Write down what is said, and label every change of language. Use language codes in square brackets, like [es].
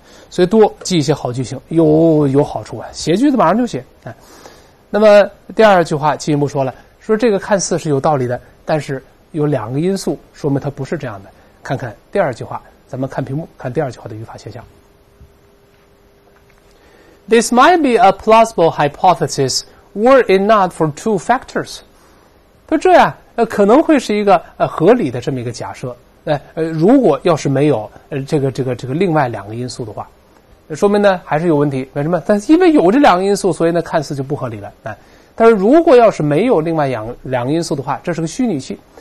[zh] 所以多记一些好句型有好处啊，写句子马上就写。那么第二句话进一步说了，说这个看似是有道理的，但是有两个因素说明它不是这样的。看看第二句话，咱们看屏幕看第二句话的语法现象。 [en] This might be a plausible hypothesis were it not for two factors。 [zh] 说这样可能会是一个合理的这么一个假设，如果要是没有这个另外两个因素的话，说明呢还是有问题。为什么？但因为有这两个因素，所以呢看似就不合理了。但是如果要是没有另外两个因素的话，这是个虚拟器。